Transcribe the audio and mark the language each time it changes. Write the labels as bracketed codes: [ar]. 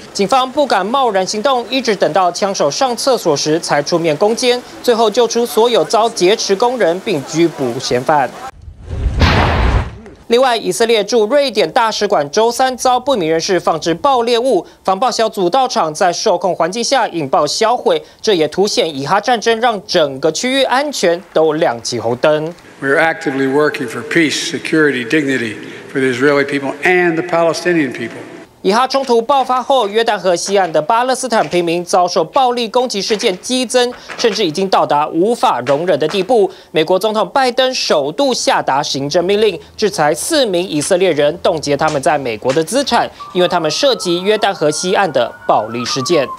[zh] 警方不敢贸然行动，一直等到枪手上厕所时才出面攻坚，最后救出所有遭劫持工人，并拘捕嫌犯。另外，以色列驻瑞典大使馆周三遭不明人士放置爆裂物，防爆小组到场，在受控环境下引爆销毁，这也凸显以哈战争让整个区域安全都亮起红灯。 [en] We are actively working for peace, security, dignity for the Israeli people and the Palestinian people. [zh] 以哈冲突爆发后，约旦河西岸的巴勒斯坦平民遭受暴力攻击事件激增，甚至已经到达无法容忍的地步。美国总统拜登首度下达行政命令，制裁4名以色列人，冻结他们在美国的资产，因为他们涉及约旦河西岸的暴力事件。